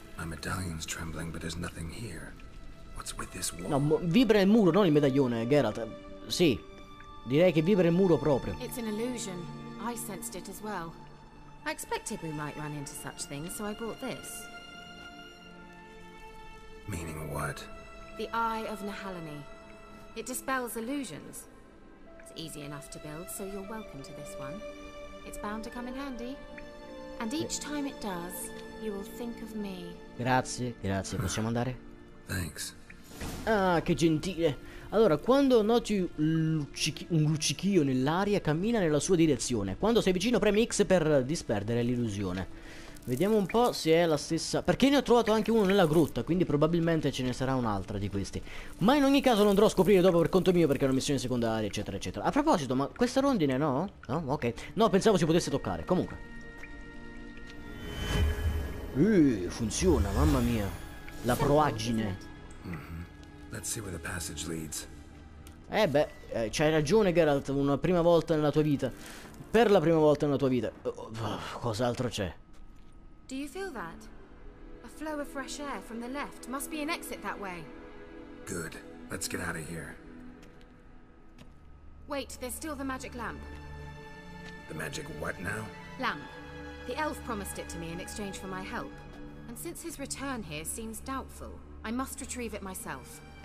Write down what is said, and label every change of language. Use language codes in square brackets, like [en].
[en] My medallion's trembling, but there's nothing here. What's with this wall? [it] No, vibra il muro, non il medaglione, Geralt. Sì. Direi che vibra il muro proprio. [en] It's an illusion. I sensed it as well. I expected we might run into such things, so I brought this. Meaning what? The Eye of Nahalini. It dispels illusions. It's easy enough to build, so you're welcome to this one. It's bound to come in handy. And each time it does, you will think of me. [it] Grazie. Possiamo andare? [en] Thanks. [it] Ah, che gentile. Allora, quando noti un luccichio nell'aria, cammina nella sua direzione. Quando sei vicino, premi X per disperdere l'illusione. Vediamo un po' se è la stessa. Perché ne ho trovato anche uno nella grotta, quindi probabilmente ce ne sarà un'altra di questi. Ma in ogni caso lo andrò a scoprire dopo per conto mio, perché è una missione secondaria, eccetera, eccetera. A proposito, ma questa rondine no? No? Ok. No, pensavo si potesse toccare. Comunque. Funziona, mamma mia. La proaggine. [en] Let's see where the passage leads. [it] C'hai ragione, Geralt. Una prima volta nella tua vita. Per la prima volta nella tua vita. Cos'altro c'è? [en] Do you feel that? A flow of fresh air from the left. Must be an exit that way. Good. Let's get out of here. Wait, there's still the magic lamp. The magic what now? Lamp. The elf promised it to me in exchange for my help. And since his return here seems doubtful, I must retrieve it myself.